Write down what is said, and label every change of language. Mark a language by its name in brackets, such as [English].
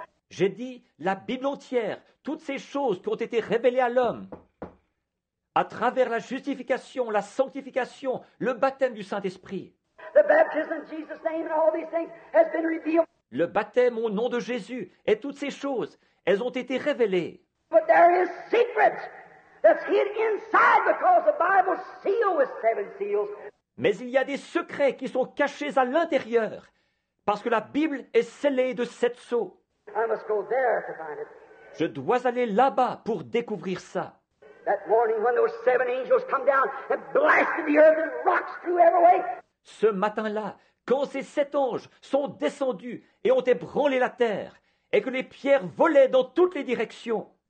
[French] J'ai dit, la Bible entière, toutes ces choses qui ont été révélées à l'homme, à travers la justification, la sanctification, le baptême du Saint-Esprit. [English] The baptism in Jesus' name and all these things has been revealed. [French] Le baptême au nom de Jésus et toutes ces choses, elles ont été révélées. [English] But there is secrets. That's hid inside because the Bible's sealed with seven seals. [French] Mais il y a des secrets qui sont cachés à l'intérieur, parce que la Bible est scellée de sept sceaux. [English] I must go there to find it. [French] Je dois aller là-bas pour découvrir ça. [English] That morning when those seven angels come down and blasted the earth and rocks through every way. [French] Ce matin-là, quand ces sept anges sont descendus et ont ébranlé la terre, et que les pierres volaient dans toutes les directions.